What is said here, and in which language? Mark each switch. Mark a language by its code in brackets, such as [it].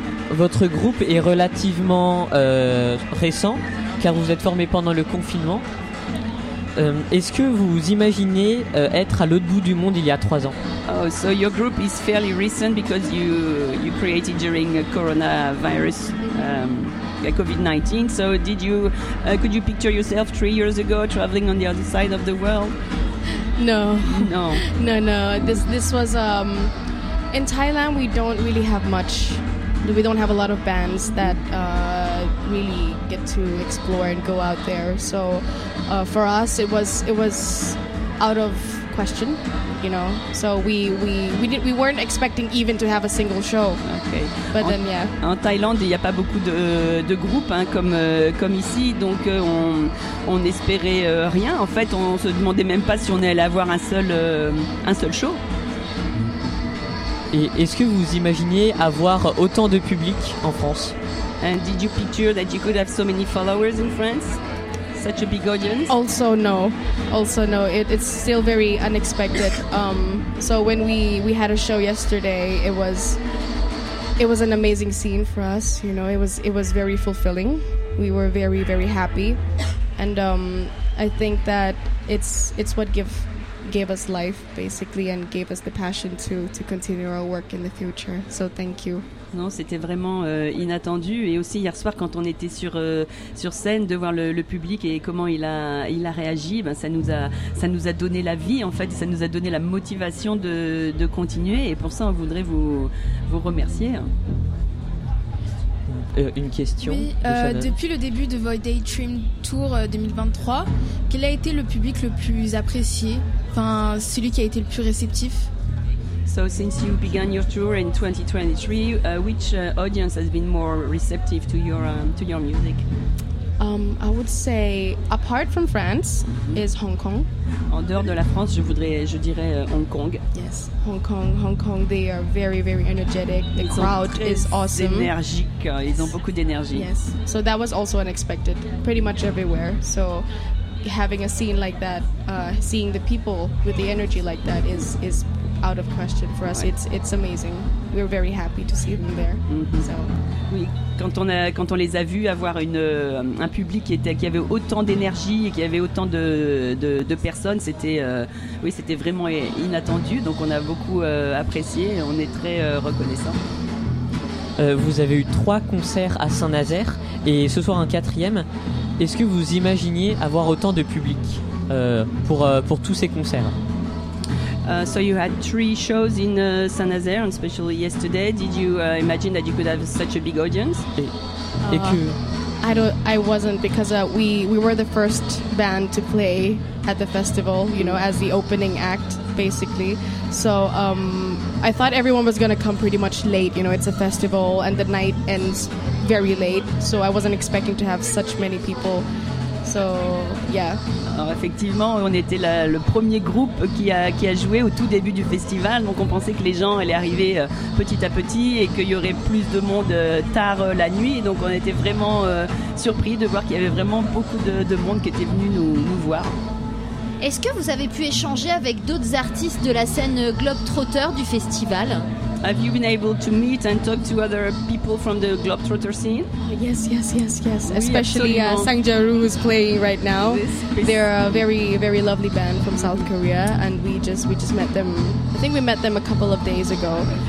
[fr] Votre groupe est relativement récent, car vous êtes formé pendant le confinement. Est-ce que vous imaginez être à l'autre bout du monde il y a 3 ans? [en] Oh, so your group is fairly recent because you created during coronavirus, COVID-19. So did you could you picture yourself 3 years ago traveling on the other side of the world? No. This was in Thailand, we don't really have much. We don't have a lot of bands that really get to explore and go out there. So for us, it was out of question, you know. So we weren't expecting even to have a single show. Okay. But then yeah. [fr] En Thaïlande, il n'y a pas beaucoup de groupes, hein, comme ici. Donc on espérait rien. En fait, on se demandait même pas si on allait avoir un seul show. Et est-ce que vous imaginiez avoir autant de public en France? [en] And did you picture that you could have so many followers in France? Such a big audience? Also no. It's still very unexpected. So when we had a show yesterday, it was an amazing scene for us, you know. It was very fulfilling. We were very very happy. And I think that it's what gave us life basically and gave us the passion to continue our work in the future, so thank you. [fr] Non, c'était vraiment inattendu, et aussi hier soir quand on était sur scène, de voir le public et comment il a réagi, ben ça nous a donné la vie en fait, ça nous a donné la motivation de continuer, et pour ça on voudrait vous remercier. Une question. Oui, depuis le début de votre Daydream Tour 2023, quel a été le public le plus apprécié, enfin celui qui a été le plus réceptif? [en] So since you began your tour in 2023, which audience has been more receptive to your music? I would say apart from France is Hong Kong. [fr] En dehors de la France, je dirais Hong Kong. [en] Yes, Hong Kong, they are very very energetic. The crowd is awesome. [fr] Énergique, ils ont beaucoup d'énergie. [en] Yes. So that was also unexpected pretty much everywhere. So having a scene like that, seeing the people with the energy like that is out of question for us. Ouais. It's amazing. We're very happy to see them there. Mm-hmm. So [fr] oui. Quand on les a vus avoir un public qui avait autant d'énergie et qui avait autant de personnes, c'était vraiment inattendu. Donc on a beaucoup apprécié et on est très reconnaissants. Vous avez eu 3 concerts à Saint-Nazaire et ce soir un 4e. Est-ce que vous imaginiez avoir autant de public pour tous ces concerts? [en] So you had 3 shows in Saint-Nazaire, and especially yesterday. Did you imagine that you could have such a big audience? I wasn't, because we were the first band to play at the festival, you know, as the opening act, basically. So I thought everyone was going to come pretty much late. You know, it's a festival and the night ends very late. So I wasn't expecting to have such many people. So, yeah. [fr] Alors effectivement, on était le premier groupe qui a joué au tout début du festival. Donc on pensait que les gens allaient arriver petit à petit et qu'il y aurait plus de monde tard la nuit. Donc on était vraiment surpris de voir qu'il y avait vraiment beaucoup de monde qui était venu nous voir. Est-ce que vous avez pu échanger avec d'autres artistes de la scène Globetrotter du festival? [en] Have you been able to meet and talk to other people from the Globetrotter scene? Yes. Oui, especially Sang Jaru, who's playing right now. They're a very, very lovely band from South Korea, and we just met them. I think we met them a couple of days ago.